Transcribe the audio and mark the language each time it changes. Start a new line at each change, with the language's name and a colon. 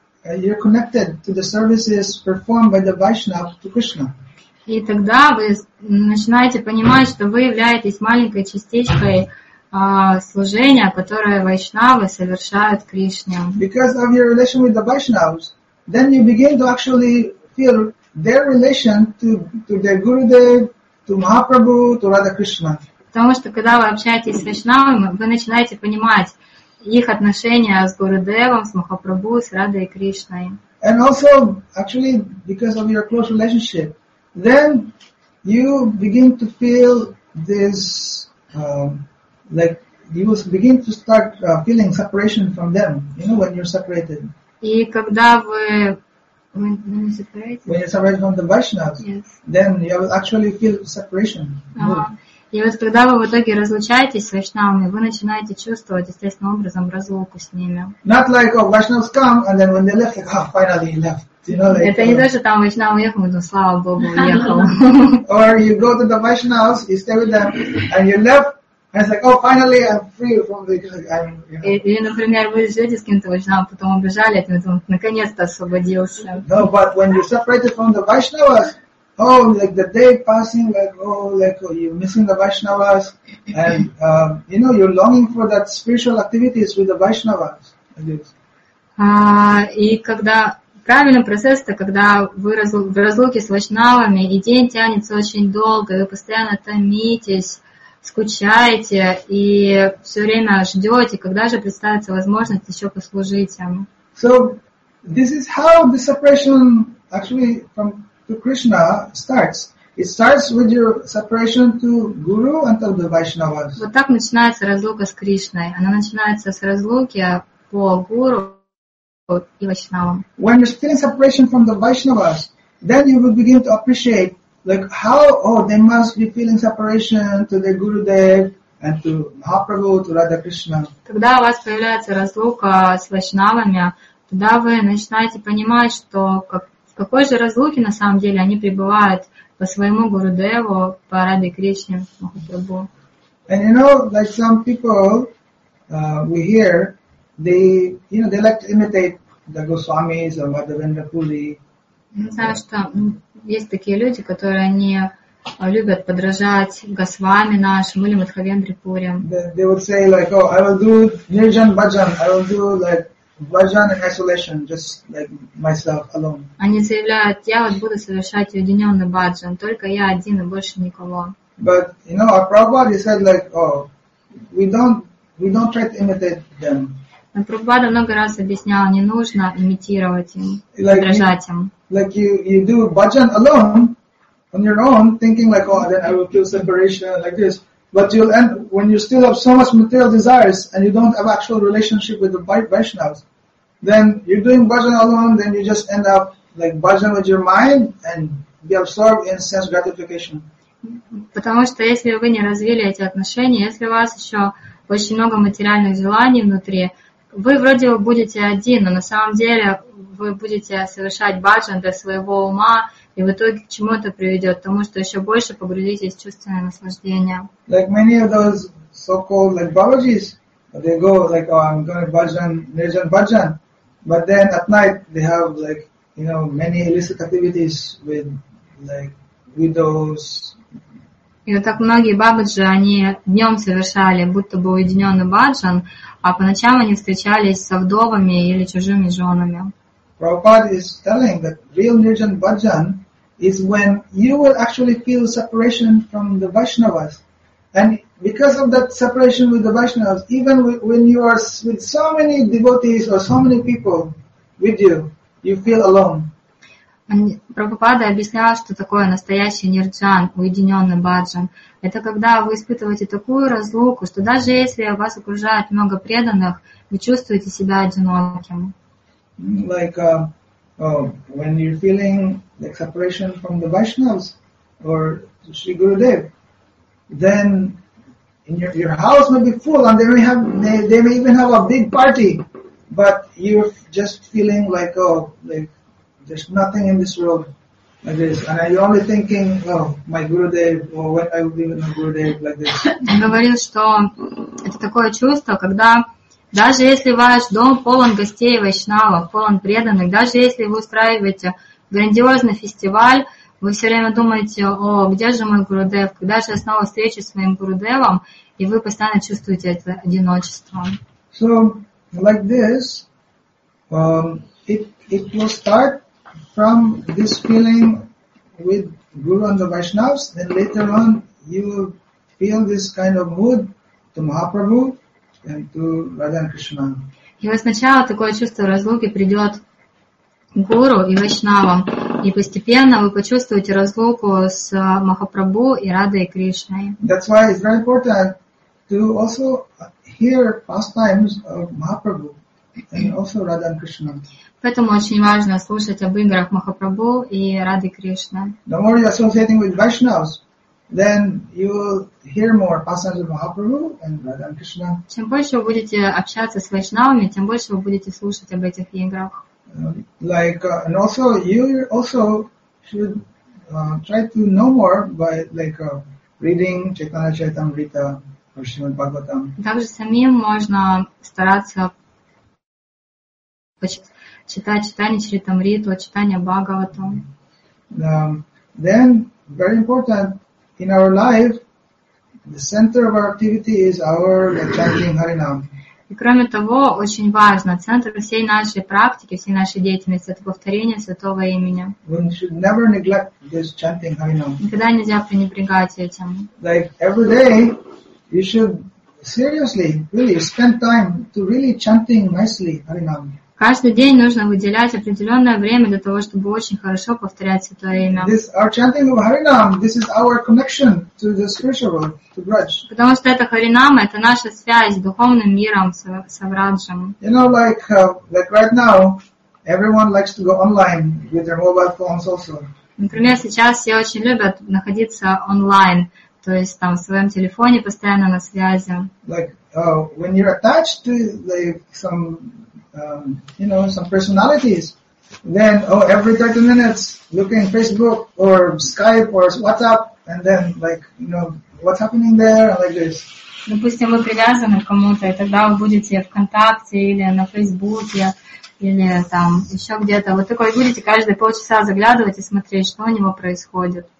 English: You're connected to the services performed by the Vaishnav to Krishna.
Russian: И тогда вы начинаете понимать, что вы являетесь маленькой частичкой служения, которое вайшнавы совершают Кришне.
English: Because of your relation with the Vaishnavs, then you begin to actually feel their relation to their Gurudev, to Mahaprabhu, to Radha Krishna.
Russian: Потому что когда вы общаетесь с вайшнавами, вы начинаете понимать их отношения с Гурудевом, с Махапрабху, с Радой и Кришной.
English: And also, actually, because of your close relationship, then you begin to feel this, you will begin to start feeling separation from them, when you're separated.
Russian: И когда вы...
English: When you're separated from the Vaishnavas, yes. Then you will actually feel separation.
Russian: И вот когда вы в итоге разлучаетесь с вайшнавами, вы начинаете чувствовать естественным образом разлуку с ними.
English: Not like oh, Vaishnavas come and then when they left, finally he left.
Russian: Это не то, что там вайшнав уехал, но слава богу уехал.
English: Or you go to the Vaishnavas, you stay with them, and you left, and it's like oh, finally I'm free from the.
Russian: Или, например, вы живете с кем-то вайшнавом, потом убежали, от него, наконец-то освободился.
English: No, but when you're separated from the Vaishnavas. Oh, like the day passing, you're missing the Vaishnavas, and you're longing for that spiritual activities with the Vaishnavas.
Russian: И когда правильный процесс, то когда вы в разлуке с вайшнавами, и день тянется очень долго, вы постоянно томитесь, скучаете и все время ждете, когда же представится возможность еще послужить им.
English: So this is how the separation actually from to Krishna starts. It starts with your separation to Guru and to the Vaishnavas.
Russian: Вот так начинается разлука с Кришной. Она начинается с разлуки по Гуру и Вайшнавам.
English: When you're still in separation from the Vaishnavas, then you will begin to appreciate they must be feeling separation to the Gurudev and to Mahaprabhu, to Radha Krishna.
Russian: Когда у вас появляется разлука с Вайшнавами, тогда вы начинаете понимать, что как в какой же разлуке на самом деле они пребывают по своему Гурудеву, по Раде Кришне, Махапрабху.
English: And some people we hear, they like to imitate the Goswamis or Madhavendra Puri.
Russian: Знаю, что есть такие люди, которые они любят подражать Госвами нашим или Мадхавендре Пури.
English: They would say I will do Nirjan Bhajan, I will do Bhajan in isolation, just myself alone.
Russian: Они заявляют, я вот буду совершать уединенный баджан, только я один и больше никого.
English: But our Prabhupada said we don't try to imitate them.
Russian: Но Прабхупада много раз объяснял, не нужно имитировать им, подражать им.
English: You do bhajan alone on your own, thinking then I will feel separation like this. But you'll end when you still have so much material desires and you don't have actual relationship with the Vaishnavas, then you're doing bhajan alone, then you just end up bhajan with your mind and be absorbed in sense gratification.
Russian: Потому что если вы не развили эти отношения, если у вас еще очень много материальных желаний внутри, вы вроде бы будете один, но на самом деле вы будете совершать бхаджан для своего ума, И в итоге к чему это приведет? К тому, что еще больше погрузитесь в чувственное наслаждение.
English: Like many of those so-called like Babaji's, they go like, oh, I'm going to bhajan, nirjan bhajan. But then at night they have like, you know, many illicit activities with like widows.
Russian: И вот так многие бабаджи, они днем совершали будто бы уединенный баджан, а по ночам они встречались со вдовами или чужими женами.
English: Prabhupada is telling that real nirjan bhajan is when you will actually feel separation from the Vaishnavas. And because of that separation with the Vaishnavas, even when you are with so many devotees or so many people with you, you feel alone.
Russian: Прабхупада объяснял, что такое настоящий нирджан, уединенный баджан. Это когда вы испытываете такую разлуку, что даже если вас окружает много преданных, вы чувствуете себя одиноким.
English: Like when you're feeling like separation from the Vaishnavas or Sri Gurudev, then in your house may be full and they may even have a big party, but you're just feeling like, oh, like there's nothing in this world like this. And you're only thinking, oh, my Gurudev, or when I will be with my Gurudev like this.
Russian: Он говорил, что это такое чувство, когда даже если ваш дом полон гостей вайшнавов, полон преданных, даже если вы устраиваете грандиозный фестиваль, вы все время думаете, о, где же мой Гурудев, когда же я снова встречусь с моим Гурудевом, и вы постоянно чувствуете это одиночество.
English: So, like this, it will start from this feeling with Guru and the Vaishnavas, then later on you feel this kind of mood to Mahaprabhu and to Radha and Krishna.
Russian: И вот сначала такое чувство разлуки придет Гуру и Вайшнавам, и постепенно вы почувствуете разлуку с Махапрабху и Радой и Кришной.
English: That's why it's very important to also hear pastimes of Mahaprabhu and also Radha and Krishna.
Russian: Поэтому очень важно слушать об играх Махапрабху и Рады Кришны.
English: The more you're associating with Vaishnavas, then you will hear more pastimes of Mahaprabhu and Radha and Krishna.
Russian: Чем больше вы будете общаться с Вайшнавами, тем больше вы будете слушать об этих играх.
English: And also you also should try to know more by like reading Chaitanya Charitamrita or Srimad Bhagavatam.
Russian: Также самим можно стараться читать Chaitanya Charitamrita, Chaitanya Bhagavatam.
English: Then very important in our life, the center of our activity is our chanting Harinam.
Russian: И кроме того, очень важно, центр всей нашей практики, всей нашей деятельности — это повторение Святого Имени.
English: We should never neglect this chanting Harinam.
Russian: Никогда нельзя пренебрегать этим.
English: Like every day, you should seriously, really spend time to really chanting nicely Harinam.
Russian: Каждый день нужно выделять определенное время для того, чтобы очень хорошо повторять Святое Имя.
English: This, our chanting of Harinam, this is our connection to the spiritual world, to Braj.
Russian: Потому что это Харинама, это наша связь с духовным миром, с Авраджем.
English: You know, like right now, everyone likes to go online with their mobile phones also.
Russian: Например, сейчас все очень любят находиться онлайн, то есть там в своем телефоне постоянно на связи.
English: Like, when you're attached to like, some... you know, some personalities. Then, every 30 minutes, looking Facebook or Skype or WhatsApp, and then, like, you know, what's happening there, like this.
Russian: Допустим, вы привязаны к кому-то, и тогда вы будете ВКонтакте или на Фейсбуке или там еще где-то. Вот такой будете каждые полчаса заглядывать и смотреть, что у него происходит.